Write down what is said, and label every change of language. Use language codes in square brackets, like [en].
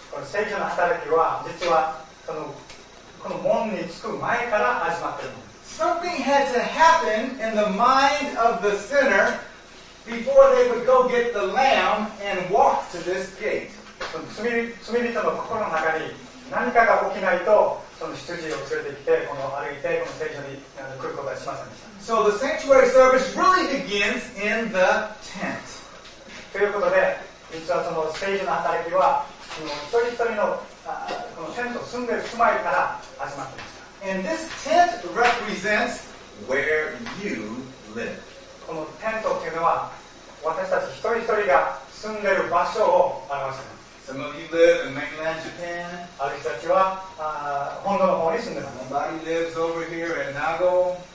[ja] この聖所の働きは、実はこの門に着く前から始まっているんです。 [en] Something had to happen in the mind of the sinner before they would go get the lamb and walk to this gate. [ja] 罪人の心の中に何かが起きないと、その羊を連れてきて、この歩いてこの聖所に来ることはしませんでした。 [en] So the sanctuary service really begins in the tent. [ja] ということで、実はその聖所の働きは、その一人一人のこのテント、住んでる住まいから始まっています。 [en] And this tent represents where you live. [ja] このテントというのは、私たち一人一人が住んでる場所を表しています。 [en] Some of you live in mainland Japan. [ja] ある人たちは、本土の方に住んでいます。 [en] Somebody lives over here in Nago.